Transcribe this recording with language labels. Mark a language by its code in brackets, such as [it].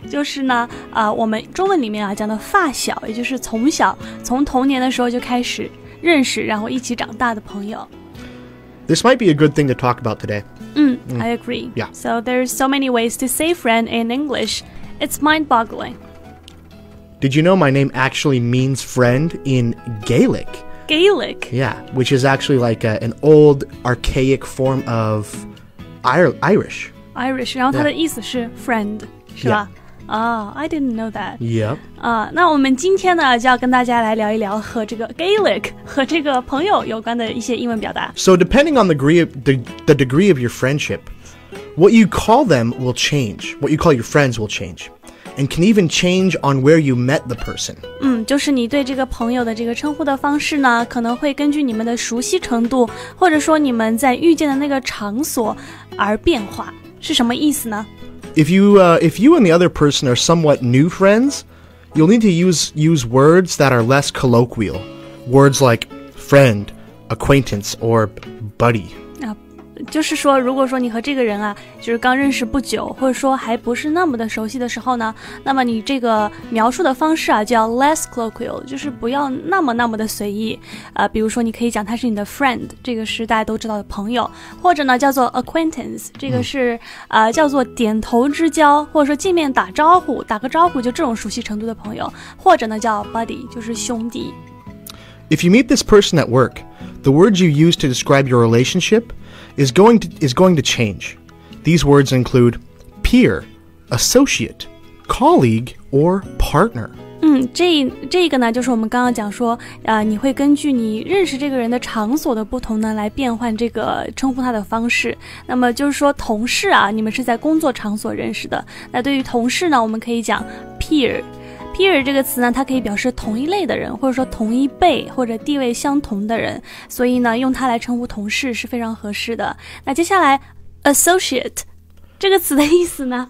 [zh] 就是呢，我们中文里面啊讲的发小，也就是从小，从童年的时候就开始认识，然后一起长大的朋友。 [en] This might be a good thing to talk about today. I agree. Yeah. So there's so many ways to say friend in English. It's mind-boggling. Did you know my name actually means friend in Gaelic? Gaelic? Yeah, which is actually like an old, archaic form of Irish. Irish, [zh] 然后它的意思是 [en] friend, [zh] 是吧？ [en] Oh, I didn't know that. Yep. [zh] 那我们今天呢就要跟大家来聊一聊和这个 Gaelic, 和这个朋友有关的一些英文表达。 [en] So depending on the degree of your friendship, what you call them will change. What you call your friends will change. And can even change on where you met the person. [zh] 就是你对这个朋友的这个称呼的方式呢可能会根据你们的熟悉程度或者说你们在遇见的那个场所而变化。是什么意思呢？ [en] If you and the other person are somewhat new friends, you'll need to use words that are less colloquial. Words like friend, acquaintance, or buddy. [zh] 就是说如果说你和这个人啊就是刚认识不久或者说还不是那么的熟悉的时候呢那么你这个描述的方式啊叫 less colloquial, 就是不要那么那么的随意。比如说你可以讲他是你的 friend, 这个是大家都知道的朋友。或者呢叫做 acquaintance, 这个是叫做点头之交或者说见面打招呼打个招呼就这种熟悉程度的朋友。或者呢叫 buddy, 就是兄弟。 [en] If you meet this person at work, the words you use to describe your relationship,is going to change. These words include peer, associate, colleague, or partner. [zh] 这个呢就是我们刚刚讲说你会根据你认识这个人的场所的不同呢来变换这个称呼他的方式。那么就是说同事啊你们是在工作场所认识的。那对于同事呢我们可以讲 peer。Peer 这个词呢它可以表示同一类的人或者说同一辈或者地位相同的人所以呢用它来称呼同事是非常合适的那接下来 associate 这个词的意思呢、